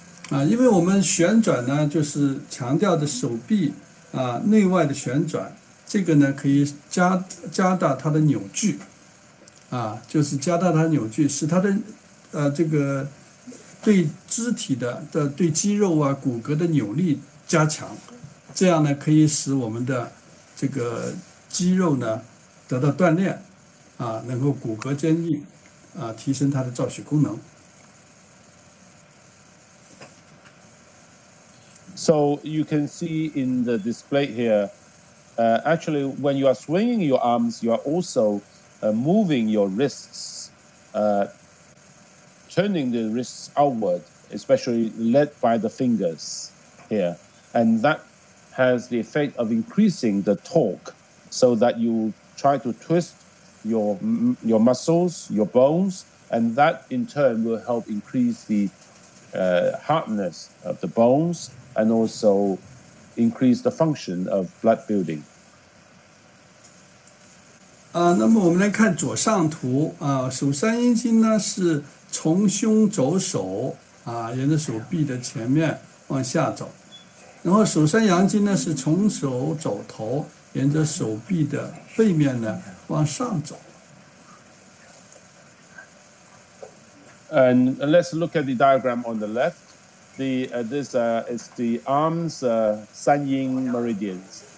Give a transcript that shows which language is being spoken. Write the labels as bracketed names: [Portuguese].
[Chinese] 啊，因为我们旋转呢，就是强调的手臂啊内外的旋转，这个呢可以加大它的扭矩，啊，就是加大它的扭矩，使它的这个对肌体的对肌肉啊骨骼的扭力加强，这样呢可以使我们的这个肌肉呢得到锻炼。啊，能够骨骼坚硬，啊，提升它的造血功能。 [English] So you can see in the display here, actually, when you are swinging your arms, you are also moving your wrists, turning the wrists outward, especially led by the fingers here, and that has the effect of increasing the torque, so that you try to twist. Your muscles, your bones, and that in turn will help increase the hardness of the bones and also increase the function of blood building. [Chinese] 那么我们来看左上图啊，手三阴经呢是从胸走手啊，沿着手臂的前面往下走，然后手三阳经呢是从手走头，沿着手臂的背面呢往上走。 [English] And let's look at the diagram on the left. This is the arms, San Ying meridians.